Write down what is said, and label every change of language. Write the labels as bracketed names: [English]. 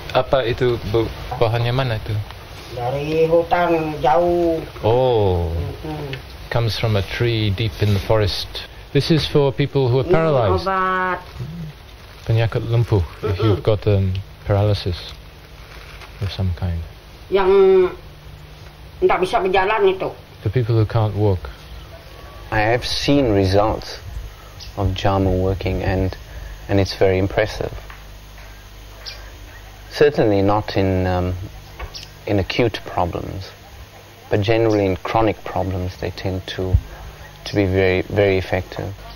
[Indonesian] Apa itu bahannya mana itu? Dari hutan jauh. Oh. [English] Comes from a tree deep in the forest. This is for people who are paralyzed. [Indonesian] Obat. Penyakit lumpuh. [English] If you've got paralysis of some kind. [Indonesian] Yang tidak bisa berjalan itu. [English] For people who can't walk. I have seen results of jamu working, and it's very impressive. Certainly not in acute problems, but generally in chronic problems, they tend to be very very effective.